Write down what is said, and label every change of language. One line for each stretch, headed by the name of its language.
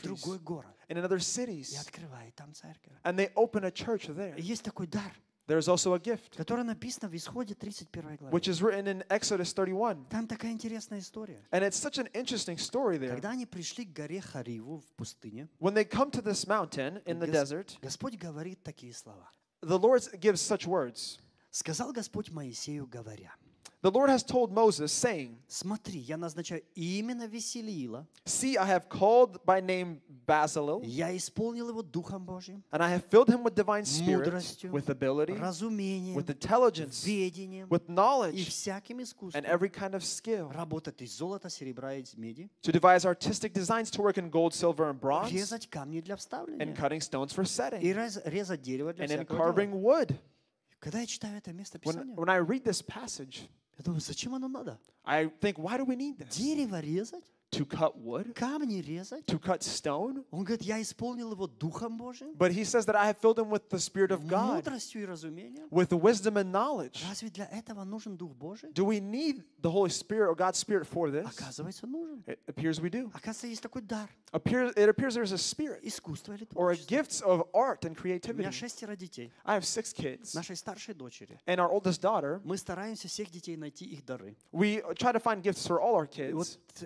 Russian: В другой город.
English: And in other cities.
Russian: И открывают там церковь.
English: And they open a church there.
Russian: Есть такой дар.
English: There is also a gift.
Russian: Которое написано в Исходе 31 главе.
English: Which is written in Exodus 31.
Russian: Там такая интересная история.
English: And it's such an interesting story there.
Russian: Когда они пришли к горе Хариву в пустыне.
English: When they come to this mountain in the desert.
Russian: Господь говорит такие слова.
English: The Lord gives such words.
Russian: Сказал Господь Моисею, говоря.
English: The Lord has told Moses, saying.
Russian: Смотри, я назначаю именно Веселила.
English: See, I have called by name Bezalel.
Russian: Я исполнил его духом Божьим.
English: And I have filled him with divine spirit.
Russian: Мудростью.
English: With ability.
Russian: Разумением.
English: With intelligence.
Russian: Ведением.
English: With knowledge.
Russian: И всяким искусством.
English: And every kind of skill.
Russian: Работать из золота, серебра и меди.
English: To devise artistic designs, to work in gold, silver, and bronze.
Russian: Резать камни для вставления.
English: And cutting stones for setting.
Russian: И резать дерево для всякого.
English: And in carving wood.
Russian: Когда я читаю это место Писания.
English: When I read this passage.
Russian: Я думаю, зачем оно надо?
English: I think, why do we need this?
Russian: Дерево резать?
English: To cut wood?
Russian: Камни резать?
English: To cut stone?
Russian: Он говорит, я исполнил его духом Божьим.
English: But he says that I have filled him with the spirit of God.
Russian: Мудростью и разумением.
English: With wisdom and knowledge.
Russian: Разве для этого нужен дух Божий?
English: Do we need the Holy Spirit or God's spirit for this?
Russian: Оказывается, нужен.
English: It appears we do.
Russian: Оказывается, есть такой дар.
English: It appears there is a spirit.
Russian: Искусство или творчество.
English: Or a gift of art and creativity.
Russian: У меня шестеро детей.
English: I have six kids.
Russian: Нашей старшей дочери.
English: And our oldest daughter.
Russian: Мы стараемся всех детей найти их дары.
English: We try to find gifts for all our kids.